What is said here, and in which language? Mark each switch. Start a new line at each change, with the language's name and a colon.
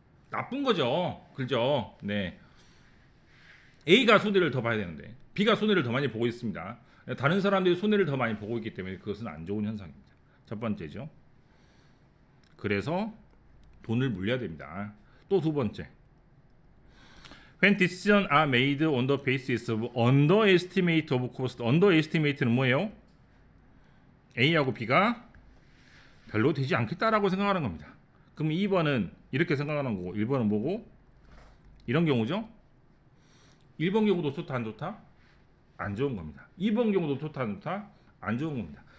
Korean: 나쁜 거죠. 그죠? 네. A가 손해를 더 봐야 되는데 B가 손해를 더 많이 보고 있습니다. 다른 사람들이 손해를 더 많이 보고 있기 때문에 그것은 안 좋은 현상입니다. 첫 번째죠. 그래서 돈을 물려야 됩니다. 또 두 번째.
English: When decisions are made on the basis of underestimate of cost.
Korean: Underestimate는 뭐예요? A하고 B가 별로 되지 않겠다라고 생각하는 겁니다. 그럼 2번은 이렇게 생각하는 거고 1번은 뭐고? 이런 경우죠? 1번 경우도 좋다 안 좋다? 안 좋은 겁니다. 2번 경우도 좋다 안 좋다? 안 좋은 겁니다.